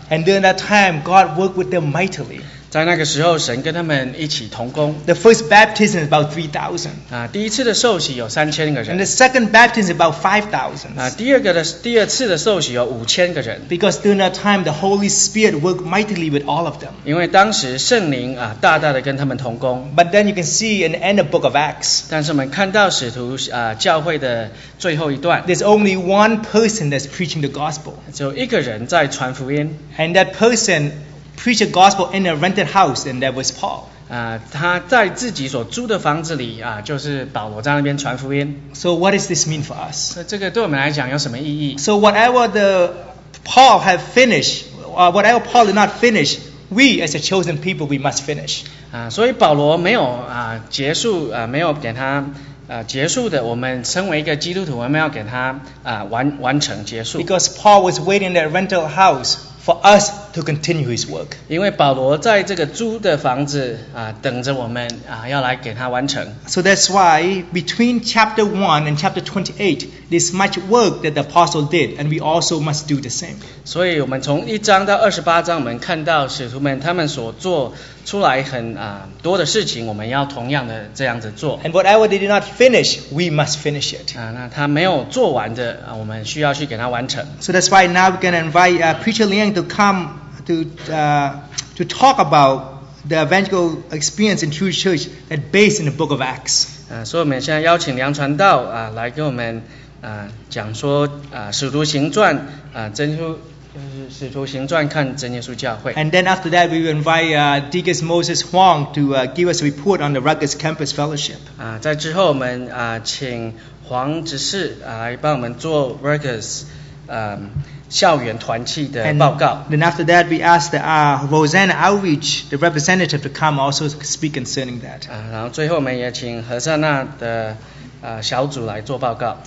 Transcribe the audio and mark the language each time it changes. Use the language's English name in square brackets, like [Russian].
[English] And during that time, God worked with them mightily. [Chinese] 在那个时候，神跟他们一起同工。 [English] The first baptism is about 3,000. [Chinese] 第一次的受洗有3,000个人。 [English] And the second baptism is about 5,000. [Chinese] 第二次的受洗有5,000个人。 [English] Because during that time, the Holy Spirit worked mightily with all of them. [Chinese] 因为当时圣灵大大的跟他们同工。 [English] But then you can see in the end of the book of Acts. [Chinese] 但是我们看到使徒教会的最后一段。 [English] There's only one person that's preaching the gospel. [Chinese] 只有一个人在传福音。 [English] And that person preach the gospel in a rented house, and that was Paul. [Chinese] 他在自己所租的房子里就是保罗在那边传福音。 [English] So what does this mean for us? [Chinese] 这个对我们来讲有什么意义 [English] ？So whatever the Paul have finished, whatever Paul did not finish, we as a chosen people we must finish. [Chinese] 所以保罗没有结束没有给他结束的，我们身为一个基督徒，我们要给他完成结束。 [English] Because Paul was waiting in a rental house. For us to continue his work. [Chinese] 因为保罗在这个租的房子等着我们要来给他完成。 [English] So that's why between chapter 1 and chapter 28, there's much work that the apostle did, and we also must do the same. [Chinese] 所以我们从一章到二十八章，我们看到使徒们他们所做出来很多的事情，我们要同样的这样子做。 [English] And whatever they did not finish, we must finish it. [Chinese] 那他没有做完的我们需要去给他完成。 [English] So that's why now we're going to invite Preacher Liang to come to talk about the evangelical experience in True Church that based in the Book of Acts. [Chinese] 所以我们现在邀请梁传道来给我们讲说使徒行传真书。使徒行传看真耶稣教会。 [English] And then after that, we will invite Deacon Moses Huang to give us a report on the Rutgers Campus Fellowship. [Chinese] 在之后我们请黄执事来帮我们做 Rutgers 校园团契的报告。 [English] And then after that, we asked the Rosanna Outreach, the representative, to come also speak concerning that. [Chinese] 然后最后我们也请何善娜的小组来做报告。